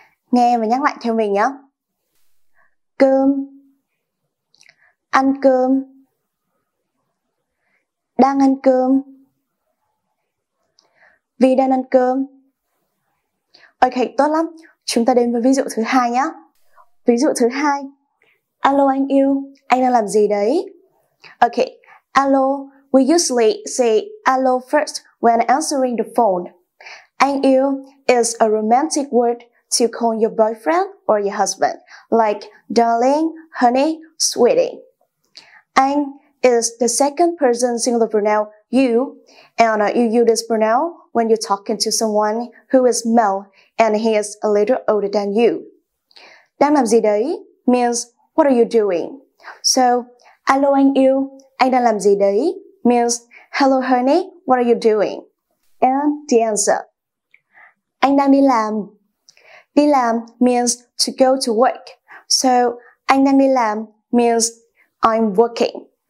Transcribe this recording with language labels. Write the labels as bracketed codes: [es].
[vi] Nghe và nhắc lại theo mình nhé. Cơm, ăn cơm, đang ăn cơm, Vi đang ăn cơm. Okay, tốt lắm. Chúng ta đến với ví dụ thứ hai nhé. Ví dụ thứ hai. Alo anh yêu, anh đang làm gì đấy? [en] Okay, alo, we usually say alo first when answering the phone. Anh yêu is a romantic word to call your boyfriend or your husband, like darling, honey, sweetie. Anh is the second person singular pronoun you, and you use this pronoun when you're talking to someone who is male and he is a little older than you. [vi] Đang làm gì đấy [en] means what are you doing? [vi] So, alo anh yêu, anh đang làm gì đấy? [en] Means, hello honey, what are you doing? And the answer. [vi] Anh đang đi làm. [en] Đi làm means to go to work. So, [vi] anh đang đi làm [en] means I'm working.